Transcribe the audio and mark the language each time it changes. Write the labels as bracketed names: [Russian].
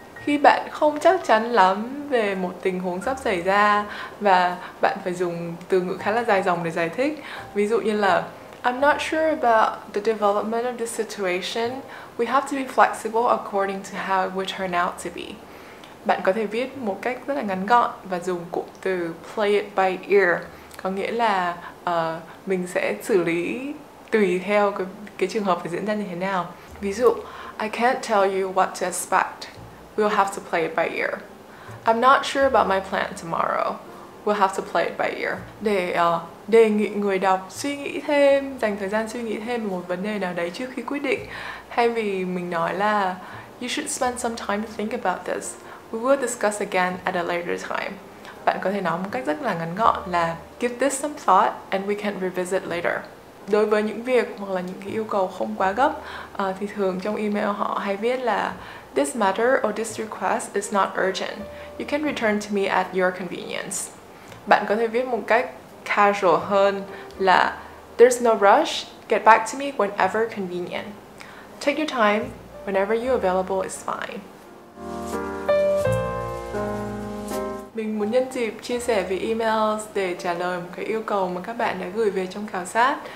[Vietnamese] Khi bạn không chắc chắn lắm về một tình huống sắp xảy ra và bạn phải dùng từ ngữ khá là dài dòng để giải thích, ví dụ như là [English] I'm not sure about the development of this situation. We have to be flexible according to how it will turn out to be. [Vietnamese] Bạn có thể viết một cách rất là ngắn gọn và dùng cụm từ [English] play it by ear, [Vietnamese] có nghĩa là mình sẽ xử lý tùy theo cái trường hợp phải diễn ra như thế nào. Ví dụ, [English] I can't tell you what to expect. We'll have to play it by ear. I'm not sure about my plan tomorrow. We'll have to play it by ear. [Vietnamese] Để đề nghị người đọc suy nghĩ thêm, dành thời gian suy nghĩ thêm một vấn đề nào đấy trước khi quyết định. Thay vì mình nói là [English] you should spend some time to think about this. We will discuss again at a later time. [Vietnamese] Bạn có thể nói một cách rất là ngắn gọn là [English] give this some thought and we can revisit later. [Vietnamese] Đối với những việc hoặc là những cái yêu cầu không quá gấp thì thường trong email họ hay viết là [English] this matter or this request is not urgent. You can return to me at your convenience. [Vietnamese] Bạn có thể viết một cách casual hơn là [English] there's no rush. Get back to me whenever convenient. Take your time. Whenever you're available is fine. [Vietnamese] Mình muốn nhân dịp chia sẻ về emails để trả lời một cái yêu cầu mà các bạn đã gửi về trong khảo sát.